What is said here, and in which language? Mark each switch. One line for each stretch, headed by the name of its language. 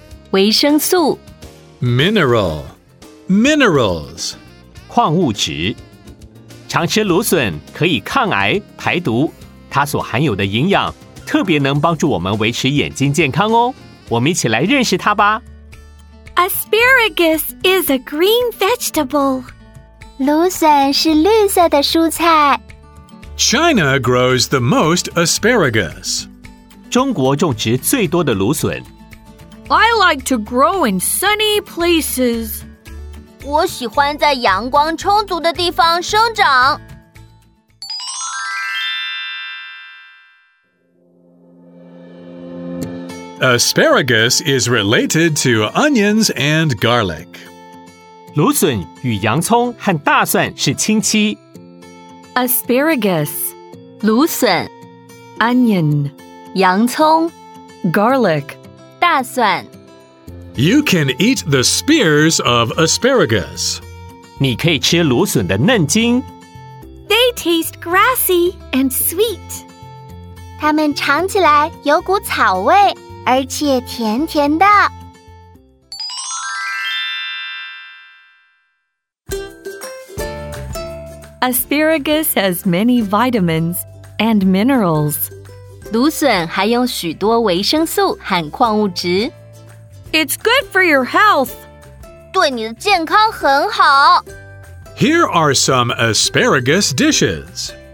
Chinese: 维生素
English: Mineral Minerals
Chinese: 矿物质常吃芦笋可以抗癌排毒，它所含有的营养特别能帮助我们维持眼睛健康哦。我们一起来认识它吧。
English: Asparagus is a green vegetable.
Chinese: 芦笋是绿色的蔬菜。
English: China grows the most asparagus.
Chinese: 中国种植最多的芦笋。
English: I like to grow in sunny places.
Chinese: 我喜欢在阳光充足的地方生长。
English: Asparagus is related to onions and garlic.
Chinese: 芦笋与洋葱和大蒜是亲戚。
English: Asparagus,
Chinese: 芦笋
English: onion,
Chinese: 洋葱
English: garlic,
Chinese: 大蒜
English: You can eat the spears of asparagus.
Chinese: 你可以吃芦笋的嫩茎。
English: They taste grassy and sweet.
Chinese: 它们尝起来有股草味，而且甜甜的。
English: Asparagus has many vitamins and minerals.
Chinese: 芦笋含有许多维生素和矿物质。
English: It's good for your health.
Chinese: 对你的健康很好。
English: Here are some asparagus dishes.